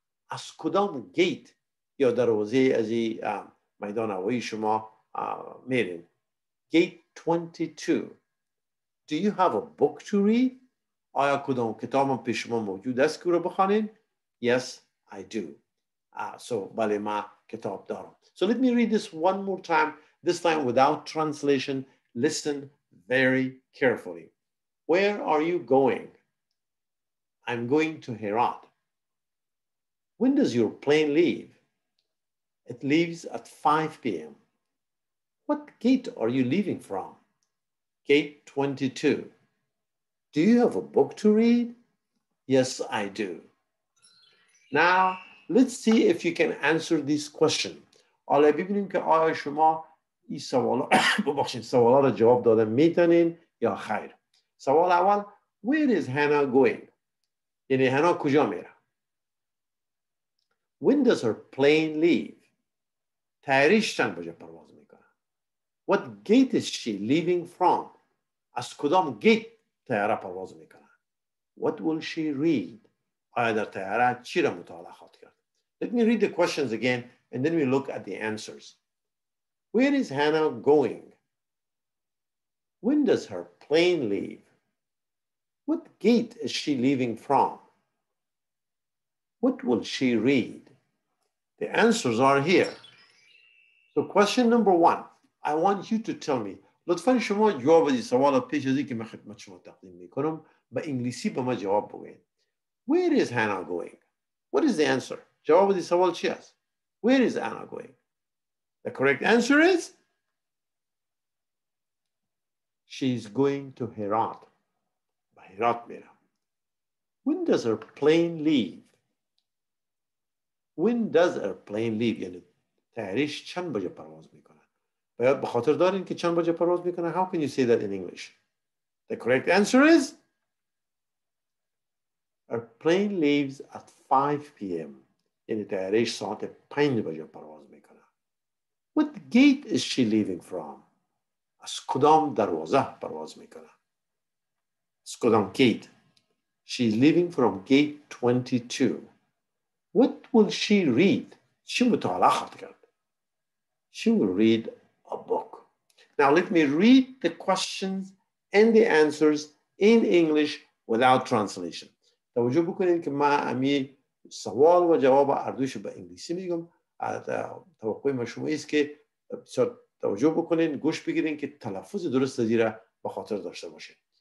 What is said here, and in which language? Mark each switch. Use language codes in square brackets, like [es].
[fa] از کدام گیت یا دروازه از این میدان هوایی شما میرین؟ Gate 22. [en] Do you have a book to read? [fa] آیا کدام کتاب پیش شما موجود است که رو بخونین؟ [en] Yes, I do. [fa] So, بله ما کتاب دارم. [en] So let me read this one more time, this time without translation. Listen very carefully. Where are you going? I'm going to Herat. When does your plane leave? It leaves at 5 p.m. What gate are you leaving from? Gate 22. Do you have a book to read? Yes, I do. Now, let's see if you can answer this question. [fa] حالا ببینیم که آیا شما این سوال ببخشید سوالا رو جواب دادن میتونین یا خیر. سوال اول [en] Where is Hannah going? [fa] یعنی هانا کجا میره؟ [en] When does her plane leave? [fa] تیاریش چند بجه پرواز میکنه؟ [en] What gate is she leaving from? [fa] از کدام گیت تیاره پرواز میکنه؟ [en] What will she read? [fa] آیا در تیاره چی را مطالعه خواهد کرد؟ [en] Let me read the questions again and then we look at the answers. Where is Hannah going? When does her plane leave? What gate is she leaving from? What will she read? The answers are here. So question number one, I want you to tell me. [fa] لطفا شما جواب این سوال پیش از اینکه من خدمت شما تقدیم میکنم با انگلیسی به من جواب بگید. [en] Where is Hannah going? What is the answer? [fa] جواب دی سوال چی است؟ [en] Where is Anna going? The correct answer is She's going to Herat. [fa] به Herat میره. [en] When does her plane leave? When does her plane leave? [fa] یعنی تیاریش چند بجه پرواز میکنه؟ باید بخاطر دارین که چند بجه پرواز میکنه؟ [en] How can you say that in English? The correct answer is Her plane leaves at 5 p.m. [fa] یعنی تیاریش ساعت 5 بجه پرواز میکنه. [en] What gate is she leaving from? [fa] از کدام دروازه پرواز میکنه؟ از کدام گیت؟ [en] She's leaving from gate 22. What will she read? [fa] چی مطالعه خواهد کرد؟ [en] She will read a book. Now let me read the questions and the answers in English without translation. [fa] توجه بکنید که ما امی سوال و جواب اردوش به انگلیسی میگم. توقع ما شما ایست که توجه بکنید گوش بگیرید که تلفظ درست زیره بخاطر داشته باشید.